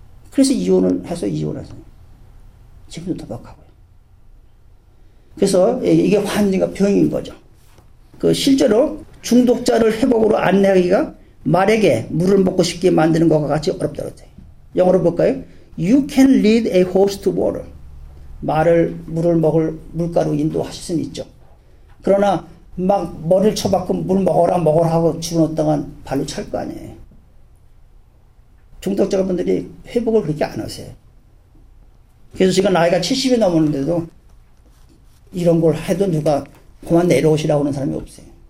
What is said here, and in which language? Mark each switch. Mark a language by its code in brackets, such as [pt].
[ko] 그래서 이혼을 해서 지금도 도박하고요. 그래서 이게 환인과 병인 거죠. 그 실제로 중독자를 회복으로 안내하기가 말에게 물을 먹고 싶게 만드는 것과 같이 어렵다고 해요. 영어로 볼까요? [en] You can lead a horse to water. [ko] 말을 물을 먹을 물가로 인도하실 수는 있죠. 그러나 막 머리를 쳐박고 물 먹어라 먹어라 하고 집어넣었다간 발로 찰 거 아니에요. 중독자분들이 회복을 그렇게 안 하세요. 그래서 제가 나이가 70이 넘었는데도 이런 걸 해도 누가 그만 내려오시라고 하는 사람이 없어요.